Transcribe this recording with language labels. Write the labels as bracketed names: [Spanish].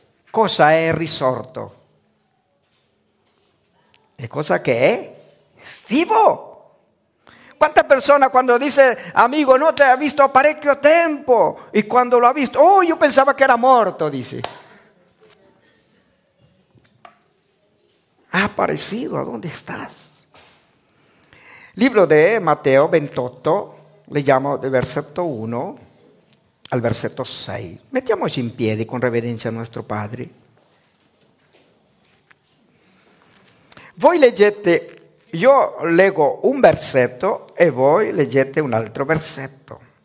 [Italian] Cosa è risorto? E cosa che è? Vivo. Quante persone quando dice: amico, no, [Spanish] te ha visto [Italian] parecchio tempo. E quando lo ha visto: oh, io pensavo che era morto, dice. [Spanish] Ha aparecido, ¿dónde estás? Libro de Mateo [Italian] 28, leggiamo del versetto 1 al versetto 6. Mettiamoci in piedi con reverenza a nostro Padre. Voi leggete, io leggo un versetto e voi leggete un altro versetto.